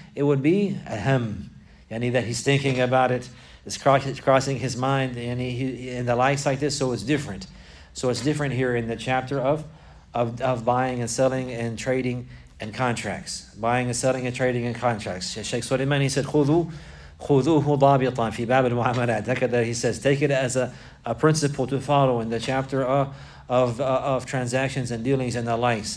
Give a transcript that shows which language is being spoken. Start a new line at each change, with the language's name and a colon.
English: It would be ahem. Yani that he's thinking about it. It's crossing his mind and the likes like this, so it's different. So it's different here in the chapter of buying and selling and trading and contracts. Buying and selling and trading and contracts. Shaykh Suleiman, he said,
Arabic: خُذُوهُ ضَابِطًا فِي بَابِ الْمُعَامَلَاتِ.
English: He says, take it as a principle to follow in the chapter of transactions and dealings and the likes.